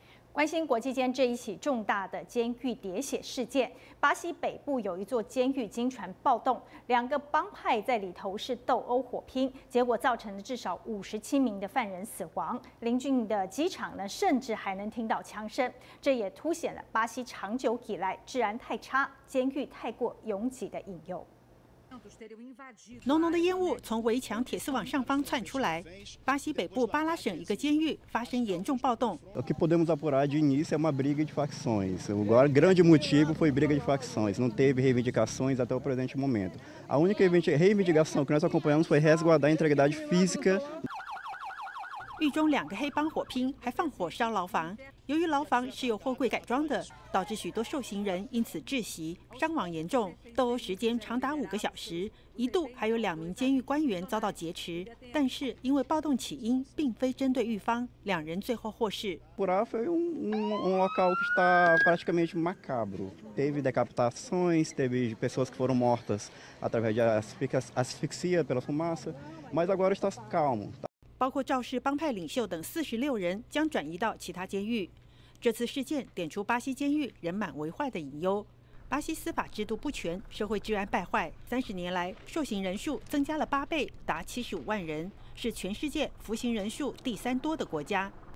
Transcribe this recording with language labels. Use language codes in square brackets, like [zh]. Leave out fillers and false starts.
[zh] 关心国际间这一起重大的监狱喋血事件，巴西北部有一座监狱经传暴动，两个帮派在里头是斗殴火拼，结果造成了至少57名的犯人死亡，邻近的机场呢甚至还能听到枪声，这也凸显了巴西长久以来治安太差、监狱太过拥挤的隐忧。浓浓的烟雾从围墙铁丝网上方窜出来，巴西北部巴拉省一个监狱发生严重暴动。 [pt] O que podemos apurar de início é uma briga de facções. O grande motivo foi briga de facções. Não teve reivindicações até o presente momento. A única reivindicação que nós acompanhamos foi resguardar a integridade física. [zh] 狱中两个黑帮火拼，还放火烧牢房。由于牢房是由货柜改装的，导致许多受刑人因此窒息，伤亡严重。斗殴时间长达5个小时，一度还有2名监狱官员遭到劫持。但是因为暴动起因并非针对狱方，两人最后获释。 [pt] Por lá foi um local que está praticamente macabro. Teve decapitações, teve pessoas que foram mortas através de asfixia pela fumaça, mas agora está calmo. [zh] 包括肇事帮派领袖等46人将转移到其他监狱。这次事件点出巴西监狱人满为患的隐忧。巴西司法制度不全，社会治安败坏，30年来受刑人数增加了8倍，达75万人，是全世界服刑人数第三多的国家。